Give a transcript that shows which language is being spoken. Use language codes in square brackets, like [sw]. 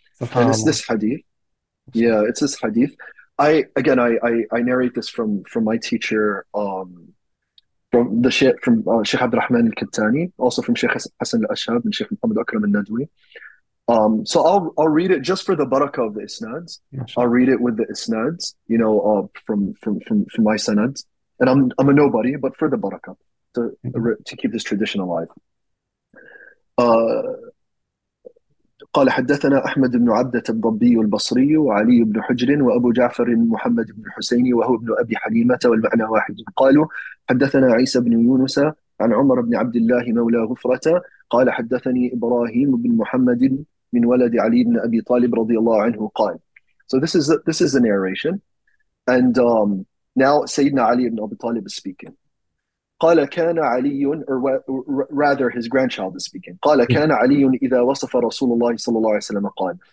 [en] And it's this hadith. Yeah, it's this hadith. I narrate this from my teacher, from Sheikh Abd al-Rahman al-Kattani, also from Sheikh Hassan al-Ashab and Sheikh Muhammad Akram al-Nadwi. So I'll read it just for the barakah of the isnads. Mashallah. I'll read it with the isnads, you know, from my sanads. And I'm a nobody, but for the barakah, to keep this tradition alive. [ar] قال حدثنا أحمد بن عبدة الضبي البصري وعلي بن حجر وأبو جعفر محمد بن حسين وهو ابن أبي حليمة والمعنى واحد قالوا حدثنا عيسى بن يونس عن عمر بن عبد الله مولى غفرة قال حدثني إبراهيم بن محمد من ولد علي بن أبي طالب رضي الله عنه قال. [en] So this is the narration, and now Sayyidina Ali ibn Abi Talib is speaking. [ar] قال كان علي, [en] or rather his grandchild is speaking. [ar] قال كان علي إذا وصف رسول الله صلى الله عليه وسلم قال.